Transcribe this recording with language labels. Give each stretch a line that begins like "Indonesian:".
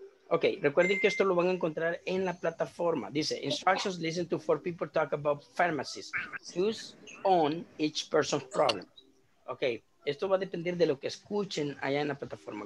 Spanish: Okay, recuerden que esto lo van a encontrar en la plataforma.
English: Dice instructions listen to four people talk about pharmacies. Choose on each person's problem. Okay,
Spanish: Esto va a depender de lo que escuchen allá en la plataforma.